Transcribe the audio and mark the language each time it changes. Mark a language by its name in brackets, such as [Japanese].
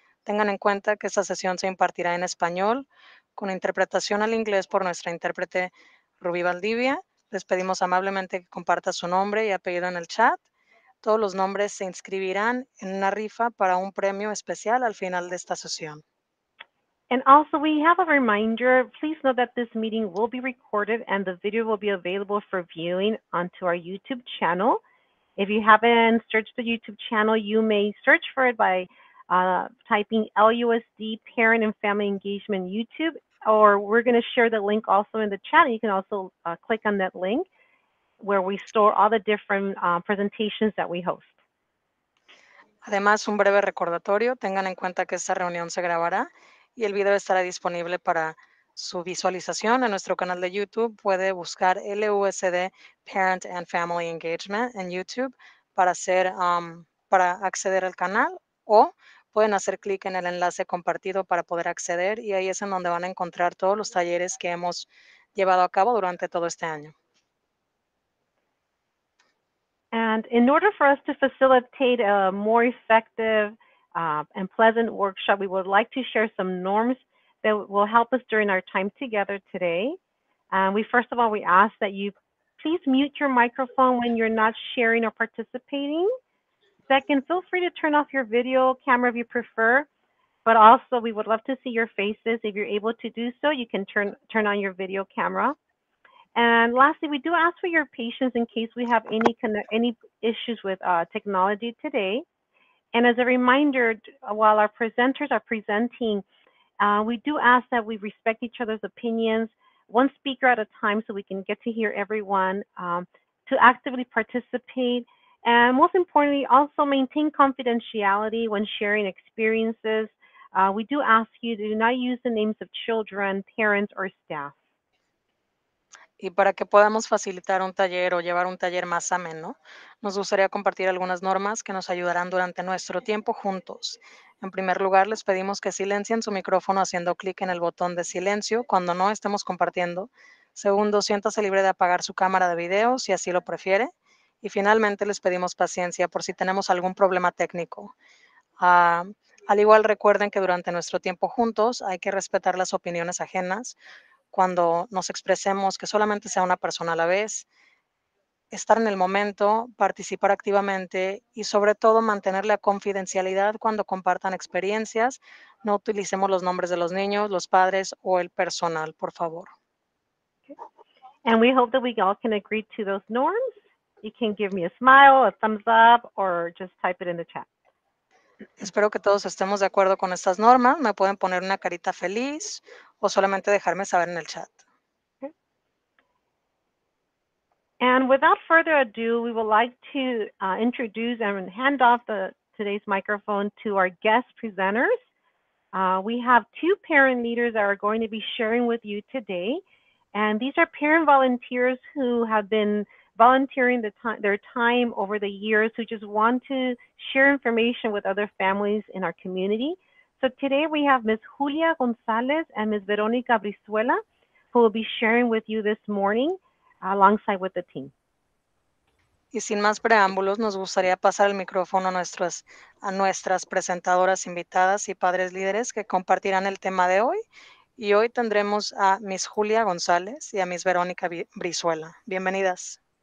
[Spanish] Tengan en cuenta que esta sesión se impartirá en español con interpretación al inglés por nuestra intérprete Ruby Valdivia. Les pedimos amablemente que comparta su nombre y apellido en el chat. Todos los nombres se inscribirán en una rifa para un premio especial al final de esta sesión. [English] And also, we have a reminder, please note that this meeting will be recorded and the video will be available for viewing onto our YouTube channel. If you haven't searched the YouTube channel, you may search for it by typing LUSD Parent and Family Engagement YouTube, or we're going to share the link also in the chat. You can also click on that link where we store all the different presentations that we host. [Spanish] Además, un breve recordatorio, tengan en cuenta que esta reunión se grabará y el video estará disponible para su visualización en nuestro canal de YouTube. Puede buscar LUSD Parent and Family Engagement en YouTube para hacer, para acceder al canal, o pueden hacer clic en el enlace compartido para poder acceder, y ahí es en donde van a encontrar todos los talleres que hemos llevado a cabo durante todo este año. [English] And in order for us to facilitate a more effective and pleasant workshop, we would like to share some norms that will help us during our time together today. We ask that you please mute your microphone when you're not sharing or participating. Second, feel free to turn off your video camera if you prefer, but also we would love to see your faces. If you're able to do so, you can turn on your video camera. And lastly, we do ask for your patience in case we have any issues with technology today. And as a reminder, while our presenters are presenting, we do ask that we respect each other's opinions, one speaker at a time so we can get to hear everyone, to actively participate. And most importantly, also maintain confidentiality when sharing experiences. We do ask you to not use the names of children, parents, or staff. [Spanish] Y para que podamos facilitar un taller o llevar un taller más ameno, nos gustaría compartir algunas normas que nos ayudarán durante nuestro tiempo juntos. En primer lugar, les pedimos que silencien su micrófono haciendo clic en el botón de silencio cuando no estemos compartiendo. Segundo, siéntase libre de apagar su cámara de video si así lo prefiere. Y finalmente, les pedimos paciencia por si tenemos algún problema técnico. Al igual, recuerden que durante nuestro tiempo juntos hay que respetar las opiniones ajenas. Cuando nos expresemos, que solamente sea una persona a la vez, estar en el momento, participar activamente y sobre todo mantener la confidencialidad cuando compartan experiencias. No utilicemos los nombres de los niños, los padres o el personal, por favor. [English] Okay. And we hope that we all can agree to those norms. You can give me a smile, a thumbs up, or just type it in the chat. [Spanish] Espero que todos estemos de acuerdo con estas normas. Me pueden poner una carita feliz o solamente dejarme saber en el chat. [English] And without further ado, we would like to introduce and hand off today's microphone to our guest presenters. We have two parent leaders that are going to be sharing with you today. And these are parent volunteers who have been volunteering their time over the years, who just want to share information with other families in our community. So today we have Ms. Julia Gonzalez and Ms. Veronica Brizuela, who will be sharing with you this morning alongside with the team. [Spanish] Y sin más preámbulos, nos gustaría pasar el micrófono a nuestras presentadoras invitadas y padres líderes que compartirán el tema de hoy. Y hoy tendremos a Ms. Julia Gonzalez y a Ms. Veronica Brizuela. Bienvenidas.